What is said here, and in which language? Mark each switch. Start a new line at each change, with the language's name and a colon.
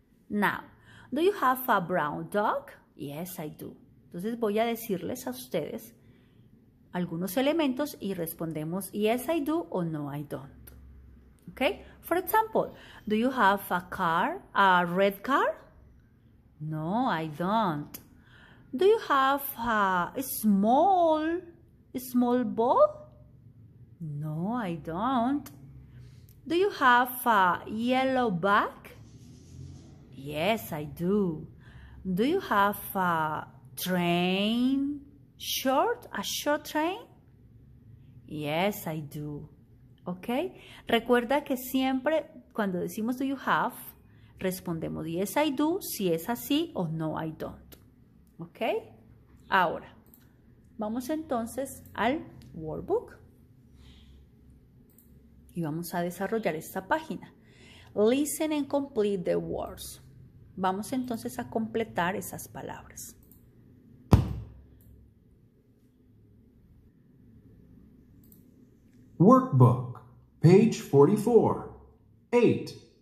English: Now, do you have a brown dog? Yes, I do.
Spanish: Entonces voy a decirles a ustedes algunos elementos y respondemos
English: yes, I do
Spanish: o
English: no, I don't. Okay, for example, do you have a car, a red car? No, I don't. Do you have a small ball? No, I don't. Do you have a yellow bag? Yes, I do. Do you have a train short, a short train? Yes, I do. ¿Ok?
Spanish: Recuerda que siempre cuando decimos
English: do you have,
Spanish: respondemos
English: yes I do,
Spanish: si es así o
English: no I don't.
Spanish: ¿Ok? Ahora, vamos entonces al workbook y vamos a desarrollar esta página.
English: Listen and complete the words.
Spanish: Vamos entonces a completar esas palabras.
English: Workbook. Page 44. 8.